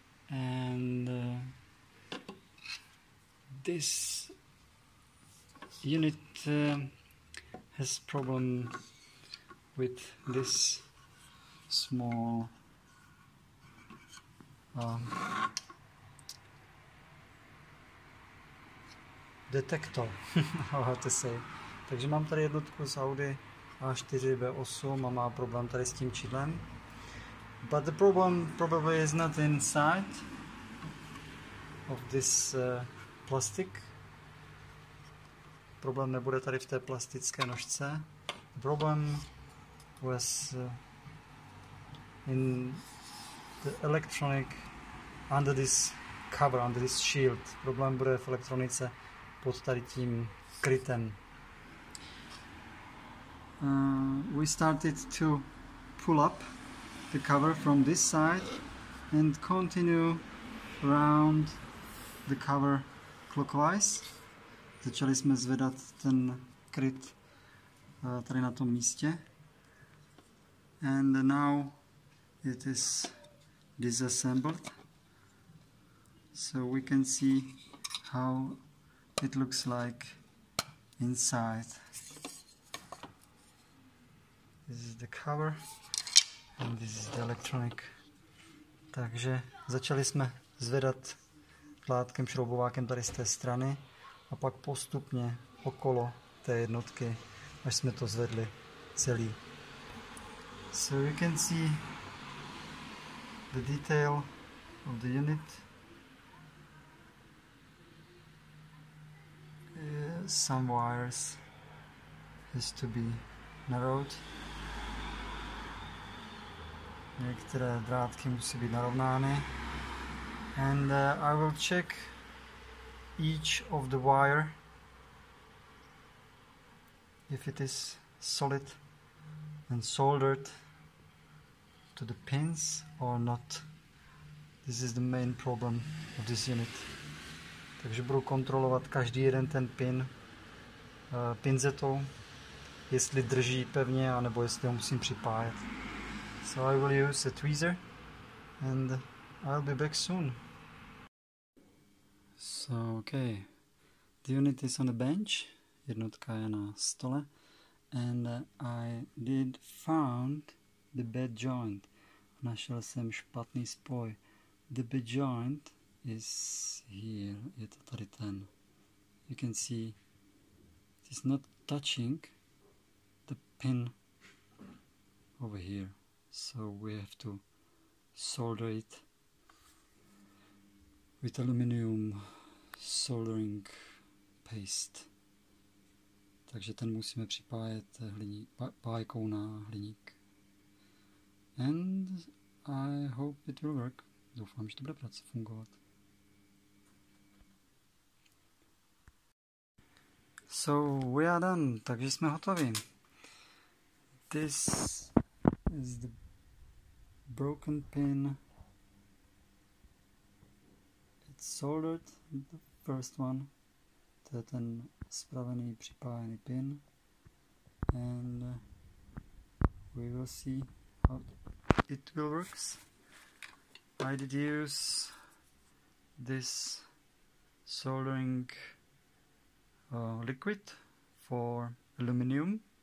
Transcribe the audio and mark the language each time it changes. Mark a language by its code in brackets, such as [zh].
[en] And this unit has problem with this small detektor, how to say. [cs] Takže mám tady jednotku z Audi A4 B8 a má problém tady s tím čidlem. [en] But the problem probably is not inside of this plastic. [cs] Problém nebude tady v té plastické nožce. [en] The problem was in the electronic under this cover, under this shield. [cs] Problém bude v elektronice pod tady tím krytem. [en] We started to pull up the cover from this side and continue around the cover clockwise. [cs] Začali jsme zvedat ten kryt tady na tom místě. [en] And now it is disassembled. So we can see how it looks like inside. This is the cover and this is the electronic. [cs] Takže začali jsme zvedat látkem šroubovákem tady z té strany. A pak postupně okolo té jednotky, až jsme to zvedli celý. [en] So you can see the detail of the unit. Some wires has to be narrowed. [cs] Některé drátky musí být narovnány. [en] And I will check each of the wire if it is solid and soldered to the pins or not. This is the main problem of this unit. [cs] Takže budu kontrolovat každý jeden ten pin pinzetou, jestli drží pevně a nebo jestli ho musím připájet. [en] So I will use a tweezer and I'll be back soon. So, okay, the unit is on the bench, [cs] jednotka je na stole, [en] and I did found the bed joint. [cs] Našel jsem špatný spoj. [en] The bed joint is here, [cs] je to tady ten. [en] You can see it is not touching the pin over here, so we have to solder it with aluminium soldering paste. [cs] Takže ten musíme připájet pájkou na hliník. [en] And I hope it will work. [cs] Doufám, že to bude fungovat. [en] So we are done. [cs] Takže jsme hotovi. [en] This is the broken pin. It's soldered. First one, [cs] to je ten spravený připájený pin, [en] and we will see how it will works. I did use this soldering liquid for aluminium.